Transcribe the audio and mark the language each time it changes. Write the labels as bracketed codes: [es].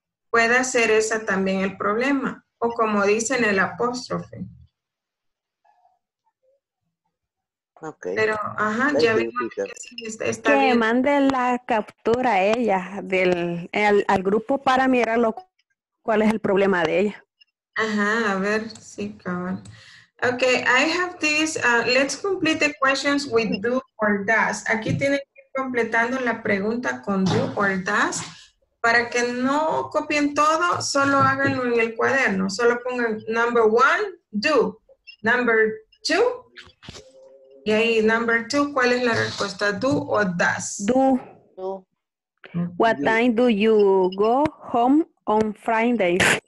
[es] Puede ser esa también el problema, o como dicen, el apóstrofe. [en] Okay. [es] Pero, ajá, ya vimos que sí, está bien. Que mande la captura a ella, al grupo, para mirar cuál es el problema de ella. Ajá, a ver, sí, cabrón. [en] Okay, I have this, let's complete the questions with do or does. [es] Aquí tienen que ir completando la pregunta con do or does. Para que no copien todo, solo háganlo en el cuaderno. Solo pongan [en] number one, do. Number two, [es] y ahí, [en] number two, [es] ¿cuál es la respuesta? ¿Do o does? [en] Do. Do. What time do you go home on Fridays?